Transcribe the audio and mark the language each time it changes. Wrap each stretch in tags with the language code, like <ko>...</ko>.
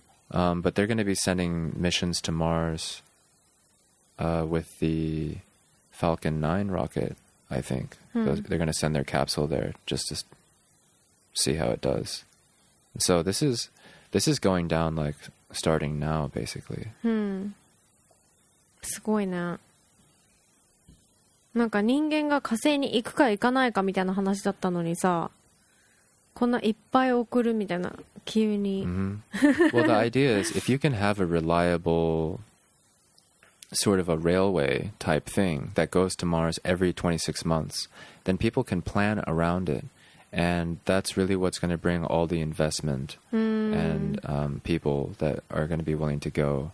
<en>But they're going to be sending missions to Mars with the Falcon 9 rocket, I think. Mm. They're going to send their capsule there just to see how it does. So this is going down, like, starting now, basically.</en> <ja>Hmm. すごいね。なんか人間が火星に行くか行かないかみたいな話だったのにさ、こんないっぱい送るみたいな、急に。 Mm-hmm.</ja> <en>Well, the idea is, if you can have a reliable sort of a railway type thing that goes to Mars every 26 months, then people can plan around it. And that's really what's going to bring all the investment mm. and people that are going to be willing to go.</en>